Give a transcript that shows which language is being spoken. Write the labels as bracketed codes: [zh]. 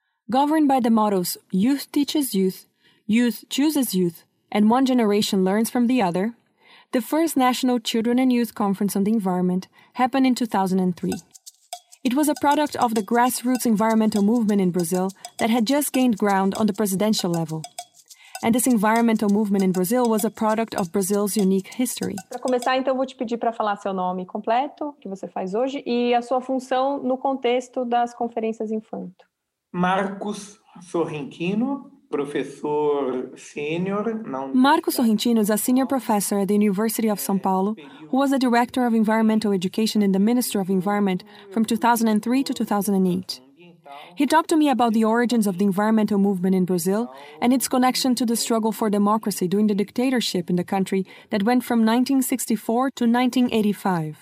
[en] Governed by the mottos, youth teaches youth chooses youth, and one generation learns from the other, the first National Children and Youth Conference on the Environment happened in 2003. It was a product of the grassroots environmental movement in Brazil that had just gained ground on the presidential level. And this environmental movement in Brazil was a product of Brazil's unique history. [pt] Para começar, então, vou te pedir para falar seu nome completo, o que você faz hoje, e a sua função no contexto das conferências infanto. Marcos Sorrentino, professor senior. [en] Marcos Sorrentino is a senior professor at the University of São Paulo, who was a director of environmental education in the Ministry of Environment from 2003 to 2008. He talked to me about the origins of the environmental movement in Brazil and its connection to the struggle for democracy during the dictatorship in the country that went from 1964 to 1985.